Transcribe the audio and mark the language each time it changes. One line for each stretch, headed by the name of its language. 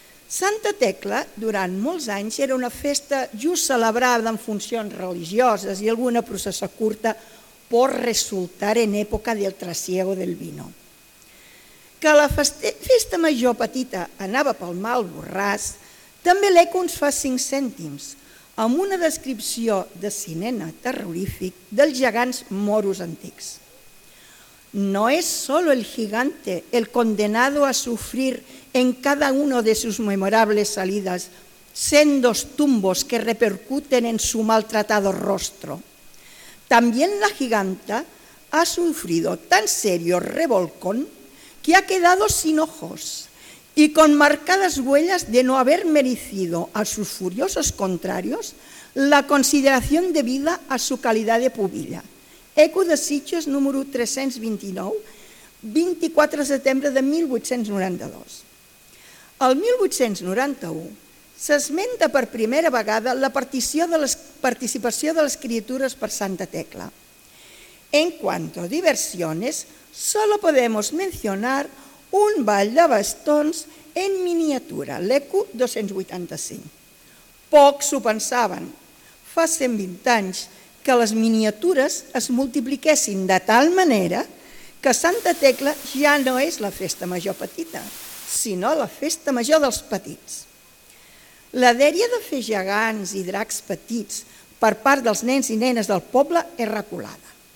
Catalan: Santa Tecla, durant molts anys, era una festa just celebrada en funcions religioses i alguna processa curta pot resultar en època del
Spanish: trasiego del vino.
Catalan: Que la festa major petita anava pel mal borràs, també l'Eco ens fa 5 cèntims, amb una descripció de cinema terrorífic dels gegants moros antics.
Spanish: No es solo el gigante el condenado a sufrir en cada uno de sus memorables salidas sendos tumbos que repercuten en su maltratado rostro. También la giganta ha sufrido tan serio revolcón que ha quedado sin ojos y con marcadas huellas de no haber merecido a sus furiosos contrarios la consideración debida a su calidad de pubilla.
Catalan: Eco de Sitges, número 329, 24 de setembre de 1892. El 1891 s'esmenta per primera vegada la participació de les criatures per Santa Tecla.
Spanish: En cuanto a diversiones, solo podemos mencionar un ball de bastons en miniatura, l'Eco 285.
Catalan: Pocs ho pensaven. Fa 120 anys que les miniatures es multipliquessin de tal manera que Santa Tecla ja no és la festa major petita, sinó la festa major dels petits. La dèria de fer gegants i dracs petits per part dels nens i nenes del poble és reculada.